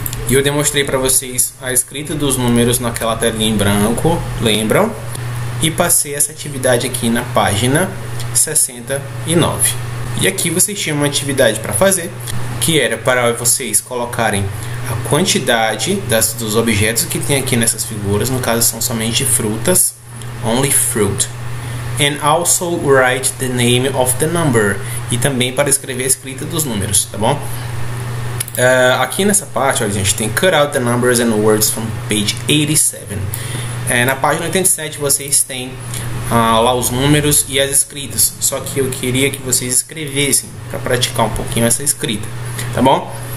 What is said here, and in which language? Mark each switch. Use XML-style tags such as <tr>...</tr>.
<pt>Eu demonstrei para vocês a escrita dos números naquela telinha em branco, lembram? E passei essa atividade aqui na página 69. E aqui vocês tinham uma atividade para fazer, que era para vocês colocarem a quantidade dos objetos que tem aqui nessas figuras. No caso, são somente frutas.</pt> <en>Only fruit. And also write the name of the number.</en> <pt>E também para escrever a escrita dos números, tá bom? Aqui nessa parte, olha, a gente tem</pt> <en>cut out the numbers and words from page 87.</en> <pt>Na página 87 vocês têm lá os números e as escritas. Só que eu queria que vocês escrevessem para praticar um pouquinho essa escrita, tá bom?</pt>